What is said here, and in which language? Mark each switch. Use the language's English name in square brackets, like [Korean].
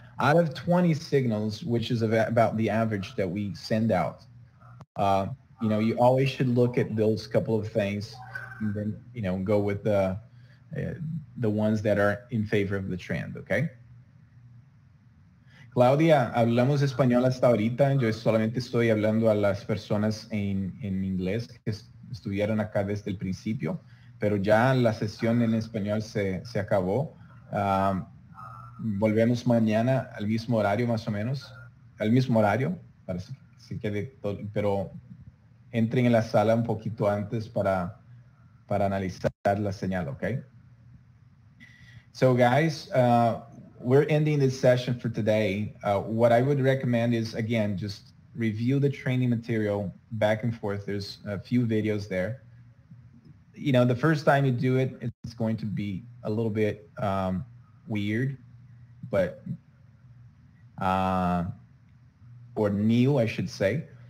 [English] Out of 20 signals, which is about the average that we send out, you know, you always should look at those couple of things and then, you know, go with the ones that are in favor of the trend, okay? [Spanish] Claudia, hablamos español hasta ahorita. Yo solamente estoy hablando a las personas en inglés que estuvieron acá desde el principio, pero ya la sesión en español se acabó. Volvemos mañana al mismo horario, más o menos, al mismo horario, para que se quede todo, pero entren en la sala un poquito antes para analizar la señal, okay? [English] So guys, we're ending this session for today. What I would recommend is, again, just review the training material back and forth. There's a few videos there. You know, the first time you do it, it's going to be a little bit weird, but or new, I should say.